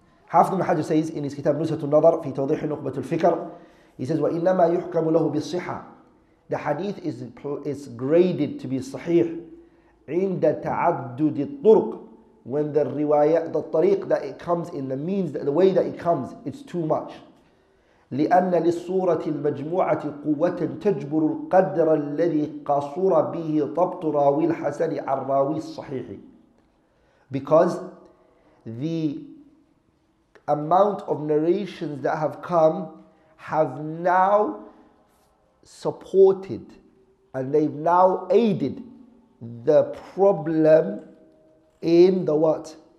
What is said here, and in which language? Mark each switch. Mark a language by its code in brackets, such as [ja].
[en] Hafidh ibn Hajar says in his kitab Nusratu Nadar, [ar] في توضيح نقبة الفكر, [en] he says, [ar] وَإِنَّمَا يُحْكَمُ لَهُ بِالصِّحَّةِ. [en] The hadith is graded to be sahih [ar] عند تعدد الطرق, [en] when the riwayat, the tariq that it comes in, the means, the way that it comes, it's too much. [ar] لأن للصورة المجموعة قوة تجبر القدر الذي قصر به ضبط راوي الحسن عن راوي الصحيح. [en] Because the amount of narrations that have come have now supported and they've now aided the problem in the what?